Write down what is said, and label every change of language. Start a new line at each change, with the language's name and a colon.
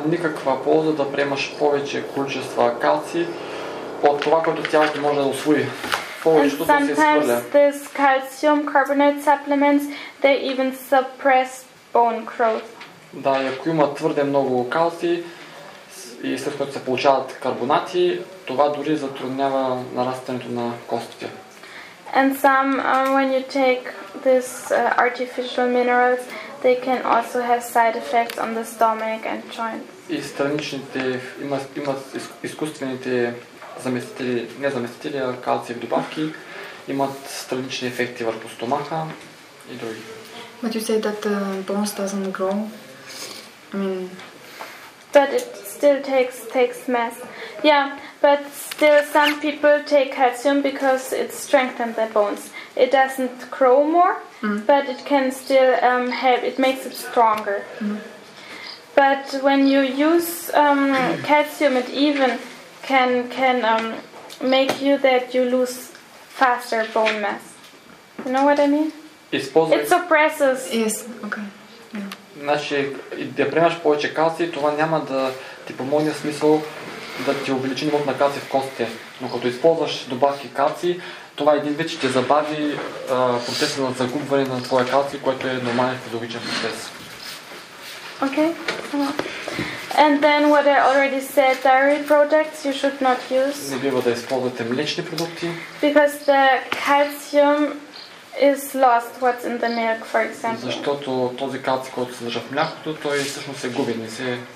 Bulgarian: Няма никаква полза да приемаш повече количество калций от това, което тялото може да усвои.
English: And sometimes these calcium carbonate supplements they even suppress bone growth.
Bulgarian: Да, ако има твърде много калций и след което се получават карбонати, това дори затруднява нарастването на костите.
English: And some when you take this artificial minerals, they can also have side effects on the stomach and joints.
Bulgarian: И страничните имат изкуствените заместители, не заместители, а калциев добавки, имат странични ефекти върху стомаха и други.
English: But you say that bones doesn't grow. But it still takes mass. Yeah, but still some people take calcium because it strengthens their bones. It doesn't grow more, but it can still help. It makes it stronger. Mm-hmm. But when you use calcium, it even can make you that you lose faster bone mass. You know what I mean?
Bulgarian: Използвай...
English: It suppresses. Yes. Okay. Yeah.
Bulgarian: Значи, да приемаш повече калци, това няма да ти помогне в смисъл да ти увеличи нивото на калци в костите. Но като използваш добавки калци, това един вид ще забави процеса на загубване на твоя калци, което е нормален физиологичен процес.
English: Okay. And then what I already said, dairy products you should not use.
Bulgarian: Не бива да използвате млечни продукти.
English: Because the calcium is lost what's in the milk, for example.
Bulgarian: Защото този калци, който се съдържа в млякото, той всъщност се губи, не се.